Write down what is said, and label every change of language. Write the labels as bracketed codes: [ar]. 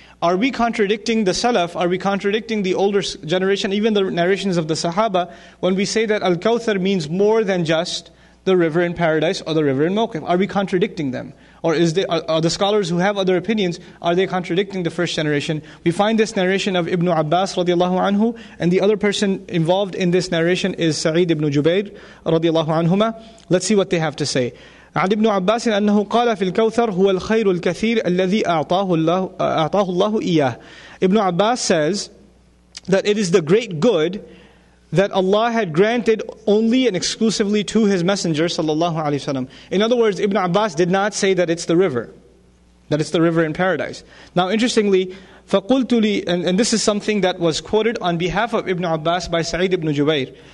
[en] Are we contradicting the Salaf? Are we contradicting the older generation, even the narrations of the Sahaba, when we say that Al-Kawthar means more than just the river in paradise or the river in Mawqif? Are we contradicting them? Or are the scholars who have other opinions, are they contradicting the first generation? We find this narration of Ibn Abbas radiallahu anhu, and the other person involved in this narration is Sa'id ibn Jubayr radiallahu anhuma. Let's see what they have to say. [ar] عن ابن عباس أنه قال في الكوثر هو الخير الكثير الذي أعطاه الله إياه. [en] Ibn Abbas says that it is the great good that Allah had granted only and exclusively to His Messenger sallallahu alaihi wasallam. In other words, Ibn Abbas did not say that it's the river, that it's the river in paradise. Now, interestingly, [ar] فَقُلْتُ لِي, [en] and this is something that was quoted on behalf of Ibn Abbas by Sa'id ibn Jubayr.